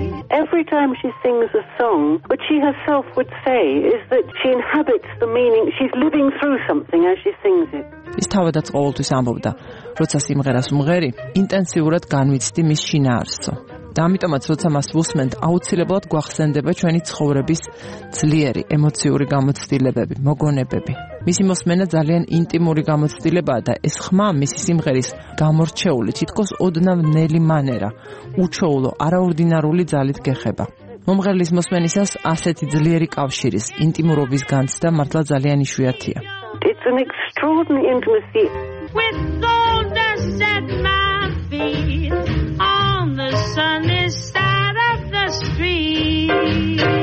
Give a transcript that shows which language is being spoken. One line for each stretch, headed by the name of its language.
English: Every time she sings a song, what she herself would say is that she inhabits the meaning, she's living through something as she sings it.
Georgian: ის თავადაც ყოველთვის ამბობდა, როცა სიმღერას უმღერი, ინტენსიურად განვიცდი მის შინაარსო. და ამიტომაც, როცა მას ვუსმენთ, აუცილებლად გვახსენდება ჩვენი ცხოვრების ძლიერი ემოციური გამოცდილებები, მოგონებები. მისი მოსმენა ძალიან ინტიმური გამოცდილებაა და ეს ხმა მისი სიმღერის გამორჩეული, თითქოს ოდნავ ნელი მანერა, უჩვეულო, არაორდინარული ძალით გეხება. მომღერლის მოსმენისას ასეთი ძლიერი კავშირის, ინტიმურობის განცდა მართლა ძალიან იშვიათია.
English: It's an extraordinary intimacy. With gold dust at my feet, on the sunny side of the street.